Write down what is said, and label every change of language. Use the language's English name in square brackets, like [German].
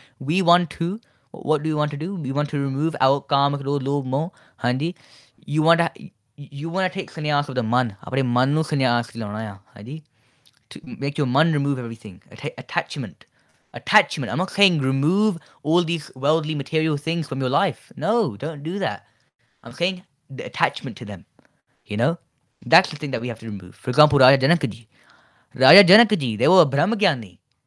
[English] We want to, what do we want to do? We want to remove our [Punjabi] ਕਰਮਾ ਕ੍ਰੋਧ ਲੋਭ ਮੋਹ, ਹਾਂ ਜੀ. [English] You want to take sannyas of the man. [Punjabi] ਆਪਣੇ ਮਨ ਨੂੰ ਸੰਨਿਆਸ ਲਾਣਾ ਇਆ, ਹਾਂ ਜੀ. [English] To make your man remove everything. Attachment. Attachment. I'm not saying remove all these worldly material things from your life. No, don't do that. I'm saying the attachment to them. You know? That's the thing that we have to remove. For example, Raja Janakaji, they were a Brahmagyani.